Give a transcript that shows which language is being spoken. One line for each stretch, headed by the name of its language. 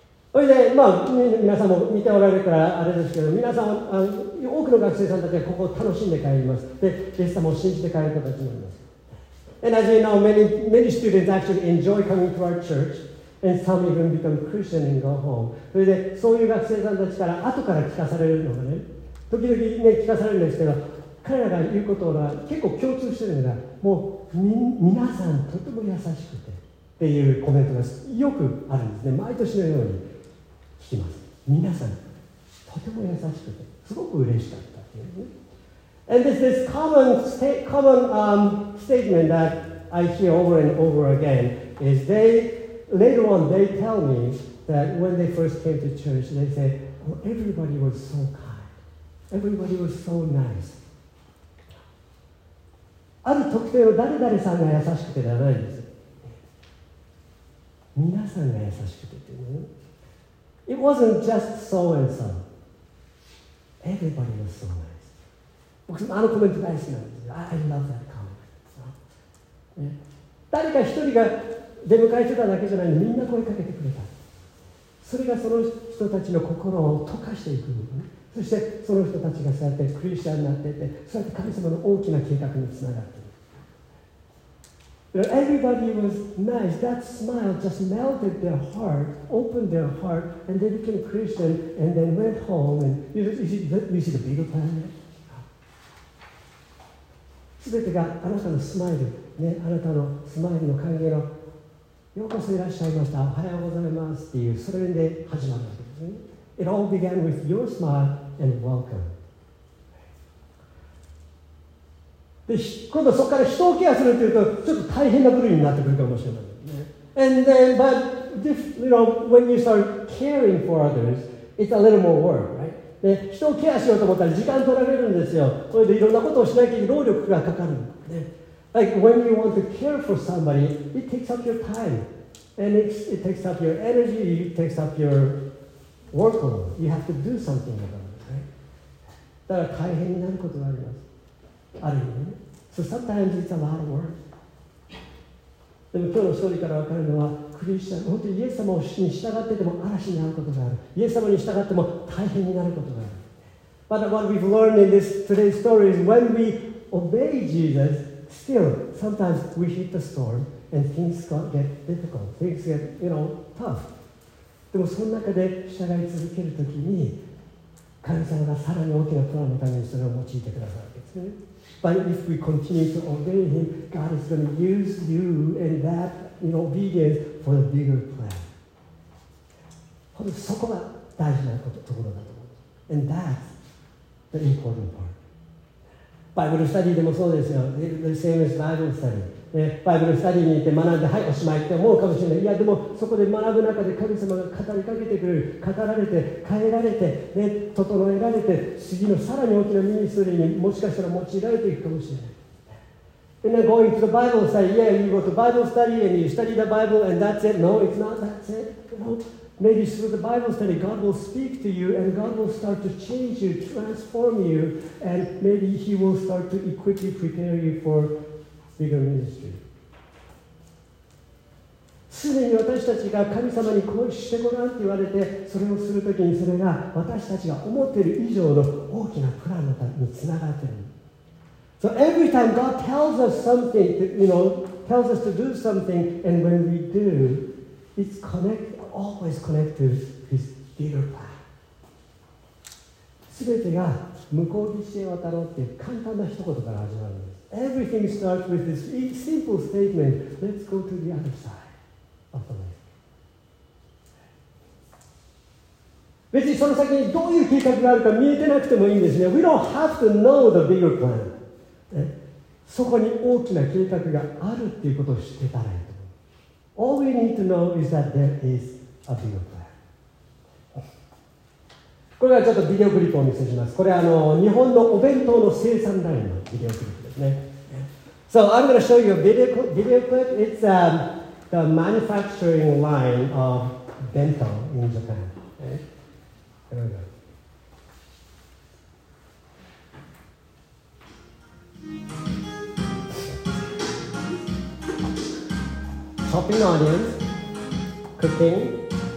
Japanese: それで、まあ、皆さんも見ておられるからあれですけど、皆さん、多くの学生さんたちがここを楽しんで帰ります。で、イエス様を信じて帰る形になります。
English: And as you know, many students actually enjoy coming to our church, and some even become Christian and go home.
Japanese: それでそういう学生さんたちから後から聞かされるのがね、時々ね聞かされるんですけど、彼らが言うことが結構共通してるのが、もう皆さんとても優しくてっていうコメントがよくあるんですね。毎年のように聞きます。皆さんとても優しくてすごく嬉しかったっていうね。
English: And this is common statement that I hear over and over again is later on they tell me that when they first came to church, they say, oh, everybody was so kind. Everybody was so nice.
Japanese: ある特定の誰々さんが優しくてじゃないんです。皆さんが優しくてっていうの。
English: It wasn't just so and so. Everybody was so nice.
Japanese: 僕もあのコメント大好きなんですよ。
English: I love that comment.
Japanese: 誰か一人が出迎えてただけじゃないのに、みんな声かけてくれた。それがその人たちの心を溶かしていく、ね。そしてその人たちがそうやってクリスチャンになっていって、そうやって神様の大きな計画につながってい
English: く。Everybody was nice. That smile just melted their heart, opened their heart, and they became Christian, and then went home. And you see the bigger plan?
Japanese: 全てがあなたのスマイル、ね、あなたのスマイルの歓迎の、ようこそいらっしゃいました、おはようございますっていう、それで始まるわけですね。
English: It all began with your smile and welcome.
Japanese: で、今度そこから人をケアするというと、ちょっと大変な部類になってくるかもしれない。
English: Yeah. And then, but, you know, when you start caring for others, it's a little more work, right?
Japanese: で人をケアしようと思ったら時間取られるんですよ。それでいろんなことをしなきゃ労力がかかる。ね、
English: like when you want to care for somebody, it takes up your time, and it takes up your energy, it takes up your workload. You have to do something about it, right?
Japanese: だから大変になることがあります。ある意味ね。
English: So sometimes it's a lot of work.
Japanese: でも今日の勝利から分かるのは、クリスチャン、本当にイエス様に従ってても嵐になることがある。イエス様に従っても大変になることがある。
English: But what we've learned in this today's story is when we obey Jesus, still sometimes we hit the storm and things get difficult, things get, you know, tough.
Japanese: でもその中で従い続けるときに、神様がさらに大きなプランのためにそれを用いてくださるんですね。
English: But if we continue to obey Him, God is going to use you and that, you know, obedience. for the bigger plan.
Japanese: 本当にそこが大事なこと、ところだと思う。
English: And that's the important part. Bible study
Japanese: でもそうですよ。
English: The same as Bible study.
Japanese: バイブルスタディに行って学んで、はい、おしまいって思うかもしれない。いや、でもそこで学ぶ中で神様が語りかけてくれる、語られて、変えられて、ね、整えられて、次のさらに大きなミニストリーにもしかしたら用いられていくかもしれない。
English: And then going to the Bible study, yeah, you go to Bible study and you study the Bible and that's it. No, it's not that's it. No. Maybe through the Bible study, God will speak to you and God will start to change you, transform you, and maybe He will start to equip you, prepare you for. Bigger ministry.
Japanese: すでに私たちが神様にこうしてごらんと言われてそれをするときにそれが私たちが思っている以上の大きなプランにつながっている。
English: So every time God tells us something, to, you know, tells us to do something, and when we do, it's connected, always connected to His bigger plan.
Japanese: すべてが向こう岸へ渡ろうっていう簡単な一言から始まるんです。
English: Everything starts with this simple statement. Let's go to the other side of the lake.
Japanese: 別にその先にどういう計画があるか見えてなくてもいいんですね。
English: We don't have to know the bigger plan.、
Japanese: ね、そこに大きな計画があるっていうことを知ってたらいいと思う。
English: All we need to know is that there is a bigger plan.
Japanese: これはちょっとビデオクリップをお見せします。これはあの日本のお弁当の生産ラインのビデオクリップですね。
English: So I'm going to show you a video clip. It's、the manufacturing line of bento in Japan. There we go. Shopping audience. Cooking.